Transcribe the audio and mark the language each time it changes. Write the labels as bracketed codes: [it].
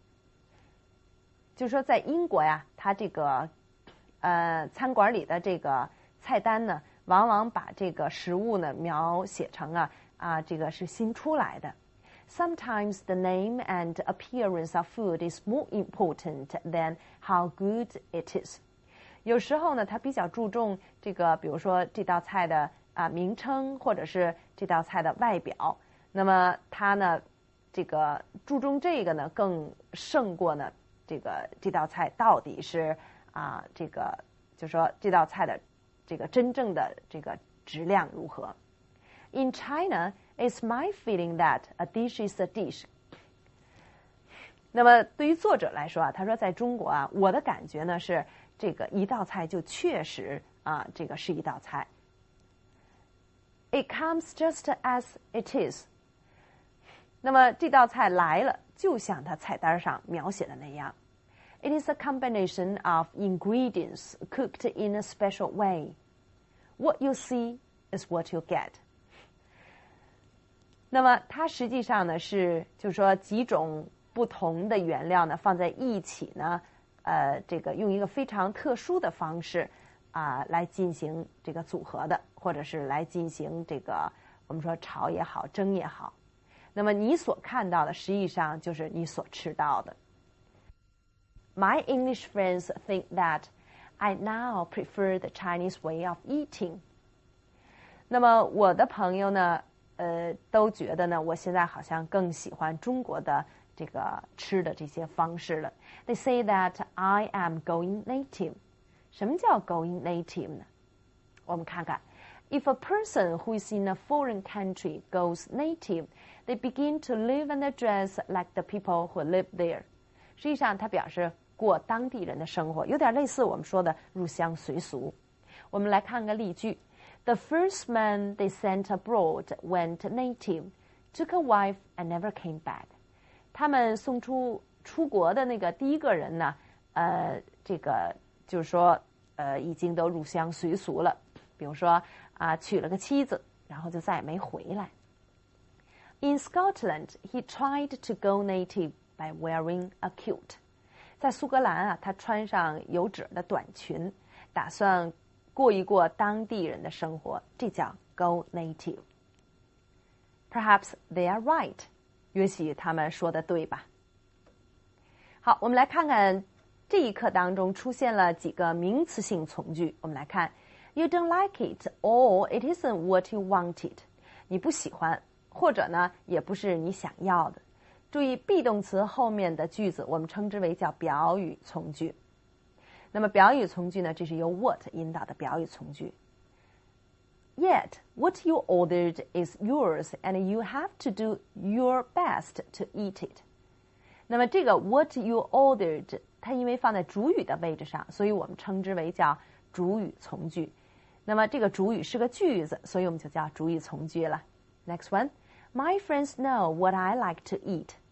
[zh] Like, 就是说在英国呀，它这个餐馆里的这个菜单呢，往往把这个食物呢描写成这个是新出来的。 [en] Sometimes the name and appearance of food is more important than how good it is. [zh] 有时候呢，它比较注重这个，比如说这道菜的名称或者是这道菜的外表，那么他呢这个注重这个呢更胜过呢这道菜到底是这个就是说这道菜的这个真正的这个质量如何。 [en] In China, it's my feeling that a dish is a dish. [zh] 那么对于作者来说啊，他说在中国啊，我的感觉呢是这个一道菜就确实这个是一道菜。 [en] It comes just as it is. [zh] 那么这道菜来了，就像它菜单上描写的那样。 [en] It is a combination of ingredients cooked in a special way. What you see is what you get. [zh] 那么它实际上呢是，就是说几种不同的原料呢放在一起呢，这个用一个非常特殊的方式来进行这个组合的，或者是来进行这个我们说炒也好蒸也好，那么你所看到的实际上就是你所吃到的。 [en] My English friends think that I now prefer the Chinese way of eating. [zh] 那么我的朋友呢都觉得呢我现在好像更喜欢中国的这个吃的这些方式了。 [en] They say that I am going native. [zh] 什么叫 going native 呢？我们看看 [en] If a person who is in a foreign country goes native, they begin to live and dress like the people who live there. [zh] 实际上它表示过当地人的生活，有点类似我们说的入乡随俗。我们来看个例句。 [en] The first man they sent abroad went native, took a wife and never came back. [zh] 他们送出出国的那个第一个人呢，这个就是说已经都入乡随俗了，比如说娶了个妻子，然后就再也没回来。 [en] In Scotland, he tried to go native by wearing a kilt. [zh] 在苏格兰啊，他穿上有褶的短裙，打算过一过当地人的生活，这叫 go native. [en] Perhaps they are right. [zh] 也许他们说的对吧。好，我们来看看这一课当中出现了几个名词性从句。我们来看 [en] ,You don't like it, or it isn't what you wanted. [zh] 你不喜欢，或者呢，也不是你想要的。注意 be 动词后面的句子，我们称之为叫表语从句。那么表语从句呢，这是由 what 引导的表语从句。 [en] Yet, what you ordered is yours, and you have to do your best to eat it. [zh] 那么这个 [en] what you ordered, [zh] 它因为放在主语的位置上，所以我们称之为叫主语从句。那么这个主语是个句子，所以我们就叫主语从句了。 [en] Next one, my friends know what I like to eat.